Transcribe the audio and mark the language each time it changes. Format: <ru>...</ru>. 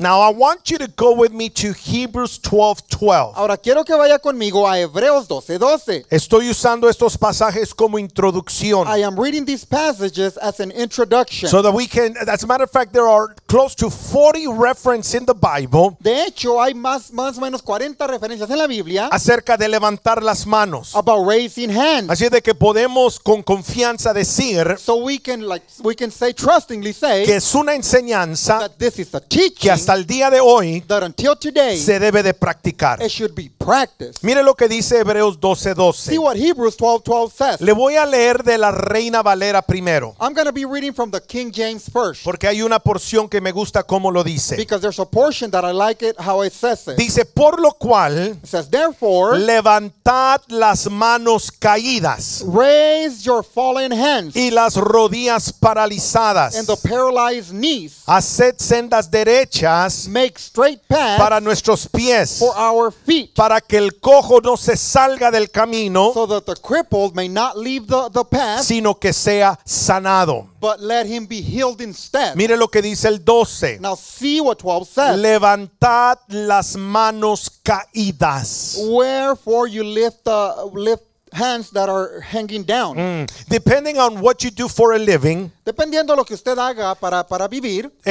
<en>Now I want you to go with me to Hebrews 12:12.</en> <es>Ahora quiero que vaya conmigo a Hebreos 12:12. Estoy usando estos pasajes como introducción.</es> <en>I am reading these passages as an introduction. So that we can, as a matter of fact, there are close to 40 references in the Bible.</en> <es>De hecho, hay más o menos 40 referencias en la Biblia acerca de levantar las manos.</es> <en>About raising hands.</en> <es>Así de que podemos con confianza decir,</es> <en>so we can say, trustingly say,</en> <es>que es una enseñanza</es> <en>that this is a teaching,</en> <es>que hasta el día de hoy,</es> <en>that until today,</en> <es>se debe de practicar.</es> <en>It should be practiced.</en> <es>Mire lo que dice Hebreos 12:12.</es> <en>See what Hebrews 12:12 says.</en> <es>Le voy a leer de la Reina Valera primero.</es> <en>I'm going to be reading from the King James first.</en> <es>Porque hay una porción que me gusta cómo lo dice.</es> <en>Because there's a portion that I like it how it says it.</en> <es>Dice, por lo cual,</es> <en>it says, therefore,</en> <es>levantad las manos caídas,</es> <en>raise your fallen hands,</en> <es>y las rodillas paralizadas,</es> <en>and the paralyzed knees,</en> <es>haced sendas derechas,</es> <en>make straight paths,</en> <es>para nuestros pies,</es> <en>for our feet,</en> <es>para que el cojo no se salga del camino,</es> <en>so that the crippled may not leave the path,</en> <es>sino que sea sanado.</es> <en>But let him be healed instead.</en> <es>Mire lo que dice el 12.</es> <en>Now see what 12 says.</en> <es>Levantad las manos caídas.</es> <en>Wherefore you lift hands that are hanging down. Depending on what you do for a living.</en> <es>Dependiendo de lo que usted haga para vivir.</es>